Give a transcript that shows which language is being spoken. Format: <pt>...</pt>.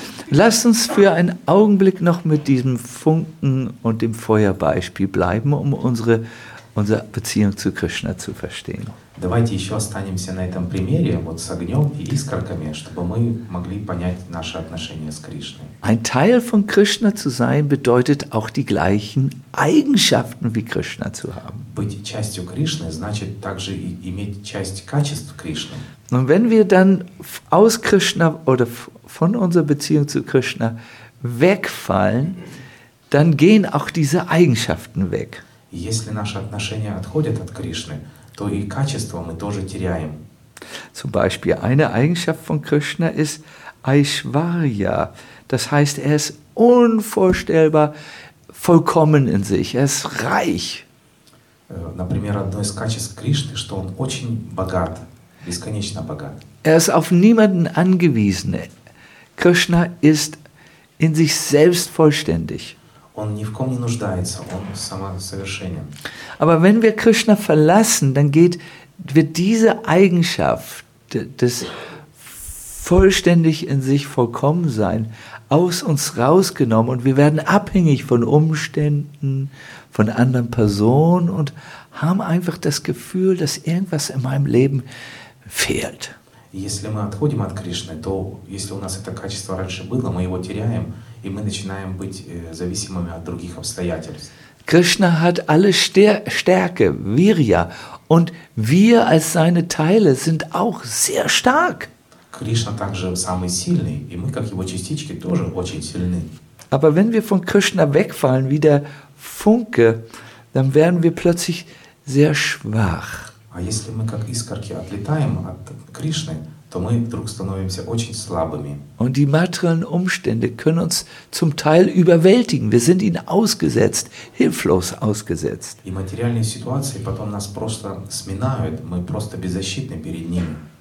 <de>Lass uns für einen Augenblick noch mit diesem Funken und dem Feuerbeispiel bleiben, um unsere Beziehung zu Krishna zu verstehen.</de> <ru>Давайте еще останемся на этом примере вот с огнем и искорками, чтобы мы могли понять наши отношения с Кришной.</ru> <de>Ein Teil von Krishna zu sein bedeutet auch die gleichen Eigenschaften wie Krishna zu haben.</de> <ru>Быть частью Кришны значит также иметь часть качеств Кришны.</ru> <de>Und wenn wir dann aus Krishna oder von unserer Beziehung zu Krishna wegfallen, dann gehen auch diese Eigenschaften weg.</de> <ru>Если наши отношения отходят от Кришны, то и качества мы тоже теряем.</ru> <de>Zum Beispiel eine Eigenschaft von Krishna ist Aishwarya. Das heißt, er ist unvorstellbar vollkommen in sich. Er ist reich.</de> <ru>Например, одно из качеств Кришны, что он очень богат. Бесконечно богат.</ru> <de>Er ist auf niemanden angewiesen. Krishna ist in sich selbst vollständig.</de> <ru>Он ни в ком не нуждается, он самосовершенен.</ru> <de>Aber wenn wir Krishna verlassen, dann wird diese Eigenschaft des vollständig in sich vollkommen sein aus uns rausgenommen und wir werden abhängig von Umständen, von anderen Personen und haben einfach das Gefühl, dass irgendwas in meinem Leben fehlt.</de> <ru>Если мы отходим от Кришны, то если у нас это качество раньше было, мы его теряем и мы начинаем быть зависимыми от других обстоятельств.</ru> <de>Krishna hat alle Stärke, Virya, und wir als seine Teile sind auch sehr stark.</de> <ru>Krishna также самый сильный, и мы как его частички тоже очень сильны.</ru> <de>Aber wenn wir von Krishna wegfallen wie der Funke, dann werden wir plötzlich sehr schwach.</de> <ru>А если мы как искорки отлетаем от Кришны, то мы вдруг становимся очень слабыми.</ru> <de>Und die materiellen Umstände können uns zum Teil überwältigen. Wir sind ihnen ausgesetzt, hilflos ausgesetzt.</de> <ru>И материальные ситуации потом нас просто сминают, мы просто беззащитны перед ними.</ru>